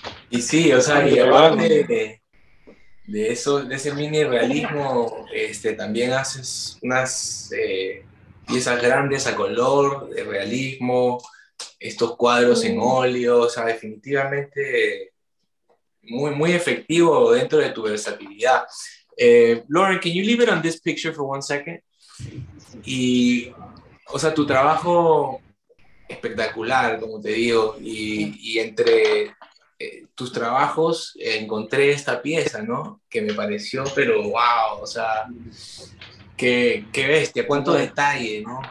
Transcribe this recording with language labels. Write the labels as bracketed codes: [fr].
[es] Y sí, o sea, y aparte de eso, de ese mini realismo, también haces unas piezas grandes a color de realismo, estos cuadros en óleo, o sea, definitivamente. Muy, muy efectivo dentro de tu versatilidad. [en] Lauren, can you leave it on this picture for 1 second? [es] Y, o sea, tu trabajo espectacular, como te digo, y entre tus trabajos encontré esta pieza, ¿no? Que me pareció, pero wow, o sea, qué bestia, cuánto detalle, ¿no?